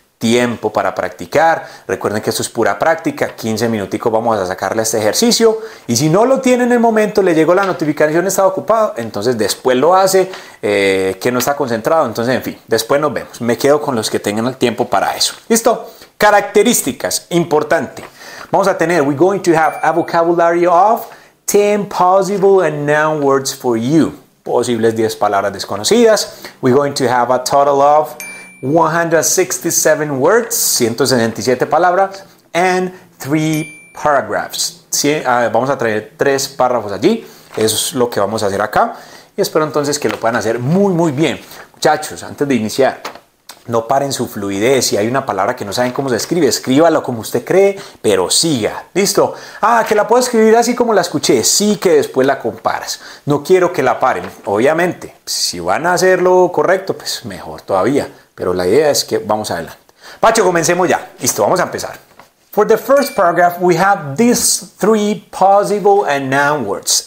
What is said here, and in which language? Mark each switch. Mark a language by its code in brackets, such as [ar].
[es] Tiempo para practicar. Recuerden que esto es pura práctica. 15 minuticos vamos a sacarle este ejercicio. Y si no lo tiene en el momento, le llegó la notificación, estaba ocupado, entonces después lo hace, que no está concentrado. Entonces, en fin, después nos vemos. Me quedo con los que tengan el tiempo para eso. ¿Listo? Características. Importante. Vamos a tener, [en] we're going to have a vocabulary of 10 possible and known words for you. [es] Posibles 10 palabras desconocidas. [en] We're going to have a total of 167 words, [es] 167 palabras, [en] and 3 paragraphs. [es] Vamos a traer 3 párrafos allí. Eso es lo que vamos a hacer acá. Y espero entonces que lo puedan hacer muy, muy bien. Muchachos, antes de iniciar, no paren su fluidez. Si hay una palabra que no saben cómo se escribe, escríbalo como usted cree, pero siga. ¿Listo? Ah, que la puedo escribir así como la escuché. Sí, que después la comparas. No quiero que la paren. Obviamente, si van a hacerlo correcto, pues mejor todavía. Pero la idea es que vamos adelante. Pacho, comencemos ya. Listo, vamos a empezar. [en] For the first paragraph, we have these 3 possible and noun words.